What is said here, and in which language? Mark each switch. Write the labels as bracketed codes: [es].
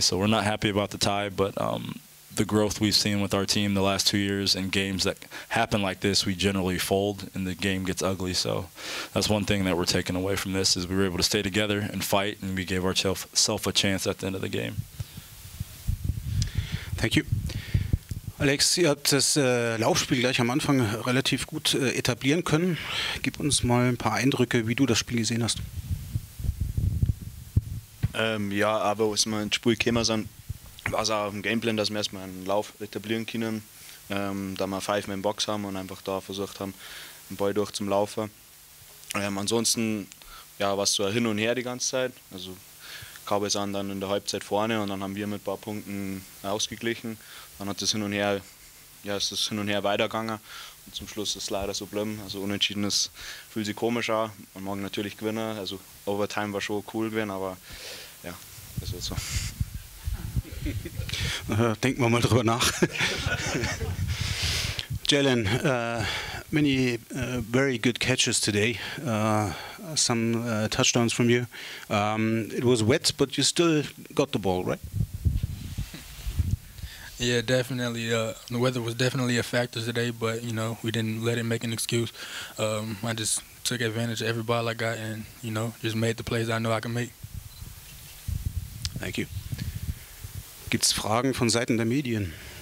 [en] So we're not happy about the tie, but the growth we've seen with our team the last 2 years and games that happen like this, we generally fold and the game gets ugly. So that's one thing that we're taking away from this, is we were able to stay together and fight, and we gave ourselves a chance at the end of the game. Thank you. [de] Alex, ihr habt das Laufspiel gleich am Anfang relativ gut etablieren können. Gib uns mal ein paar Eindrücke, wie du das Spiel gesehen hast. Ja, aber was wir ins Spiel gekommen sind, war es auch auf dem Gameplan, dass wir erstmal einen Lauf etablieren können, da wir 5-Man-Box haben und einfach da versucht haben, den Ball durch zum Laufen. Ansonsten ja, war es so hin und her die ganze Zeit. Also Cowboys waren dann in der Halbzeit vorne und dann haben wir mit ein paar Punkten ausgeglichen. Dann hat das hin und her, ja, ist das hin und her weitergegangen. Und zum Schluss ist es leider so blöd. Also unentschieden ist, fühlt sich komisch an. Man mag natürlich gewinnen. Also Overtime war schon cool gewesen, aber ja, das ist so. Denken wir mal drüber nach. [en] Jalen, many very good catches today. Some touchdowns from you. It was wet, but you still got the ball, right? Yeah, definitely. The weather was definitely a factor today, but you know, we didn't let it make an excuse. I just took advantage of every ball I got and, you know, just made the plays I know I can make. Thank you. [de] Gibt es Fragen von Seiten der Medien?